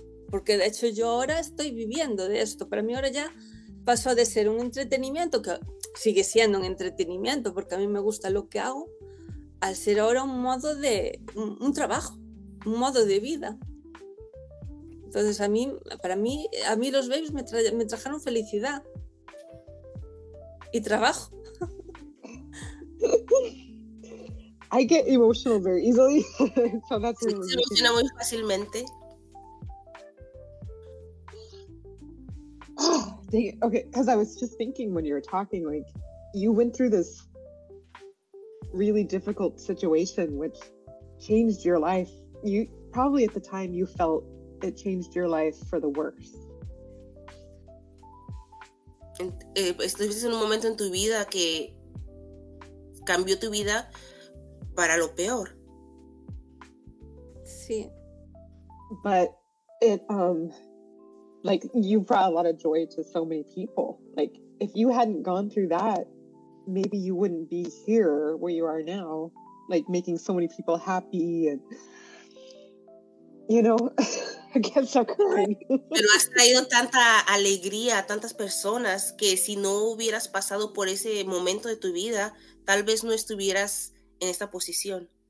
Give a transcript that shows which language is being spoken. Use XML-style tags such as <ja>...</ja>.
<es>Porque de hecho yo ahora estoy viviendo de esto. Para mí ahora ya pasó de ser un entretenimiento, que sigue siendo un entretenimiento porque a mí me gusta lo que hago, al ser ahora un modo de un trabajo, un modo de vida. Entonces a mí los babies me trajeron felicidad y trabajo.</es> <en>I get emotional very easily. So that's really</en> <es>se emociona muy fácilmente.</es> <en>Oh, dang it. Okay, because I was just thinking when you were talking, like, you went through this really difficult situation which changed your life. You probably at the time you felt it changed your life for the worse.</en> <es>Estuviste en un momento en tu vida que cambió tu vida para lo peor. Sí.</es> <en>But it, like, you brought a lot of joy to so many people. Like, if you hadn't gone through that, maybe you wouldn't be here where you are now, like, making so many people happy and, you know, I get so crying.</en> <es>Pero has traído tanta alegría a tantas personas que si no hubieras pasado por ese momento de tu vida, tal vez no estuvieras en esta posición.</es>